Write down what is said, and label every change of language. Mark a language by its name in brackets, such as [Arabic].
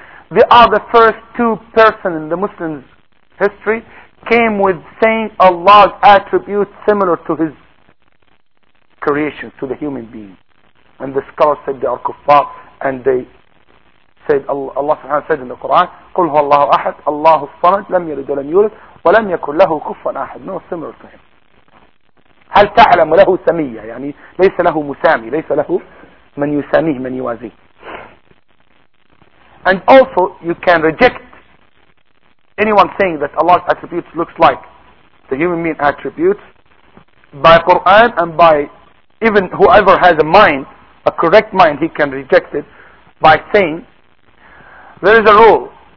[English] They are the first two persons in the Muslim's history came with saying Allah's attributes similar to His creation, to the human being. And the scholars said they are kuffar, and they said, Allah subhanahu wa ta'ala said in the Quran, [Arabic] قُلْ هُوَ اللَّهُ أَحَدْ اللَّهُ الصَّمَدْ لَمْ يَلِدْ وَلَمْ يُولَدْ وَلَمْ يَكُنْ لَهُ كُفُوًا أَحَدْ. [English] No, similar to Him. [Arabic] هَلْ تَعْلَمُ لَهُ سَمِيَّةً, يعني ليس له مسامي, ليس له من يساميه, من يوازيه. [English] And also, you can reject anyone saying that Allah's attributes looks like the human being attributes by Quran, and by even whoever has a mind, a correct mind, he can reject it by saying there is a rule.